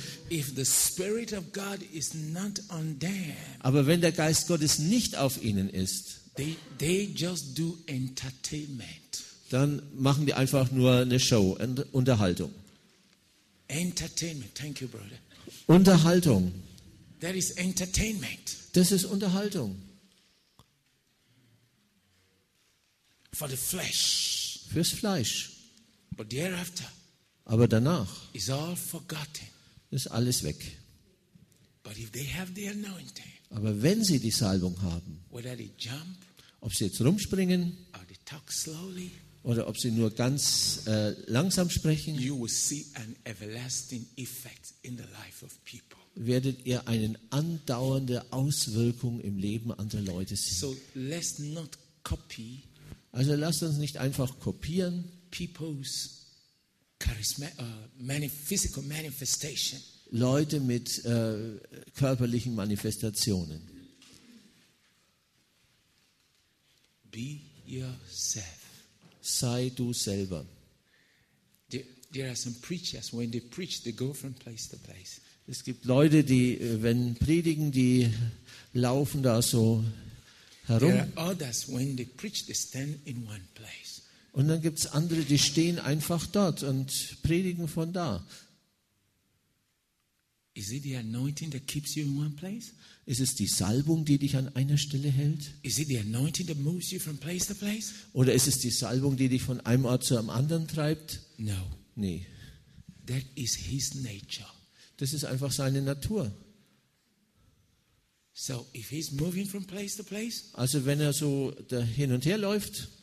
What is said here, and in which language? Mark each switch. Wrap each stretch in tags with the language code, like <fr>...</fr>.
<en>If the Spirit of God is not on them,</en> <de>aber wenn der Geist Gottes nicht auf ihnen ist,</de> <en>they just do entertainment.</en> <de>Dann machen die einfach nur eine Show, Unterhaltung.</de> <en>Entertainment, thank you, brother.</en> <de>Unterhaltung.</de> <en>That is entertainment.</en> <de>Das ist Unterhaltung.</de> <en>For the flesh.</en> <de>Fürs Fleisch.</de> <en>But thereafter,</en> <de>Aber danach</de> <en>is all forgotten.</en> <de>Ist alles weg.</de> <en>But if they have the anointing,</en> <de>aber wenn sie die Salbung haben,</de> <en>whether they jump,</en> <de>ob sie jetzt rumspringen</de> <en>or they talk slowly,</en> <de>oder ob sie nur ganz langsam sprechen,</de> <en>you will see an everlasting effect in the life of people.</en> <de>Werdet ihr eine andauernde Auswirkung im Leben anderer Leute sehen.</de> <en>So, let's not copy,</en> <de>also lasst uns nicht einfach kopieren</de> <en>people's charisma, physical manifestation.</en> <de>Leute mit körperlichen Manifestationen.</de> <en>Be yourself.</en> <de>Sei du selber.</de> <en>There are some preachers, when they preach, they go from place to place.</en> <de>Es gibt Leute, die, wenn predigen, die laufen da so herum.</de> <en>There are others, when they preach, they stand in one place.</en> <de>Und dann gibt es andere, die stehen einfach dort und predigen von da.</de> <en>Is it the anointing that keeps you in one place?</en> <de>Ist es die Salbung, die dich an einer Stelle hält?</de> <en>Is it the anointing that moves you from place to place?</en> <de>Oder ist es die Salbung, die dich von einem Ort zu einem anderen treibt?</de> <en>No.</en> <de>Nee.</de> <en>That is his nature.</en> <de>Das ist einfach seine Natur.</de> <en>So if he's moving from place to place,</en> <de>also wenn er so da hin und her läuft,</de>